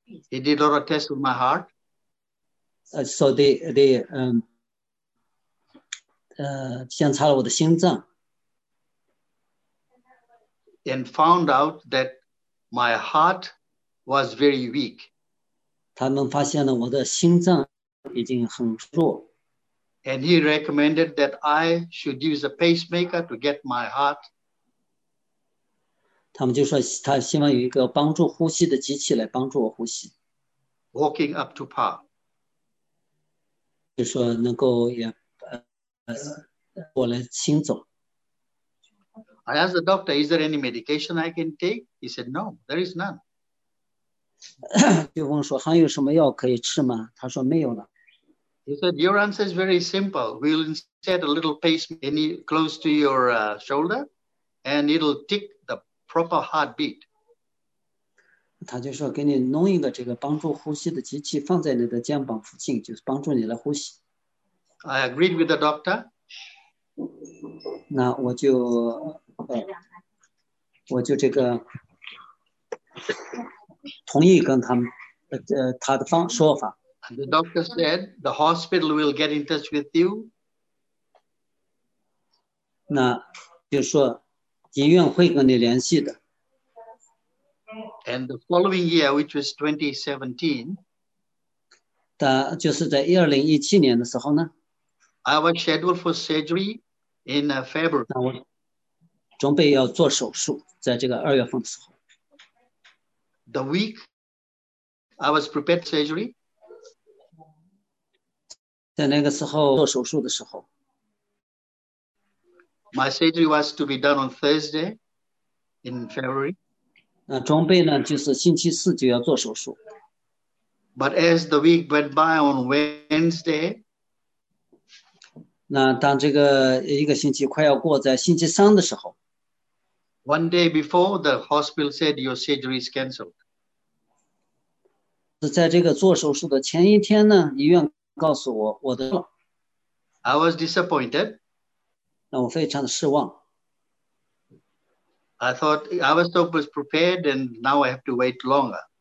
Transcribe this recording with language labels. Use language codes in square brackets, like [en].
[en] He did a lot of tests with my heart. so they [zh] 检查了我的心脏， [en] And found out that my heart was very weak. [zh] 他们发现了我的心脏已经很弱。 [en] And he recommended that I should use a pacemaker to get my heart. [zh] 他们就说他希望有一个帮助呼吸的机器来帮助我呼吸， [en] Walking up to par. [zh] 就说能够也我来行走。 [en] I asked the doctor, is there any medication I can take? He said, no, there is none. [zh] 就问说还有什么药可以吃吗？他说没有了。 [en] He said, your answer is very simple. We'll insert a little pacemaker close to your shoulder, and it'll tick the proper heartbeat. [zh] 他就说给你弄一个这个帮助呼吸的机器，放在你的肩膀附近，就是帮助你来呼吸。 [en] I agreed with the doctor. [zh] 那我就这个同意跟他们他的说法。 [en] And the doctor said the hospital will get in touch with you. [zh] 那就说医院会跟你联系的。 [en] And the following year, which was 2017, [zh] 就是在2017年的时候呢， [en] I was scheduled for surgery in February. [zh] 那我准备要做手术，在这个2月份的时候。 [en] The week I was prepared for surgery, [zh] 在那个时候做手术的时候， [en] my surgery was to be done on Thursday in February. [zh] 那装备呢，就是星期四就要做手术。 [en] But as the week went by on Wednesday, [zh] 那当这个一个星期快要过，在星期三的时候， [en] one day before, the hospital said your surgery is cancelled. [zh] 是在这个做手术的前一天呢，医院告诉我的了， [en] I was disappointed. [zh] 那我非常的失望。 [en] I thought I was so prepared, and now I have to wait longer.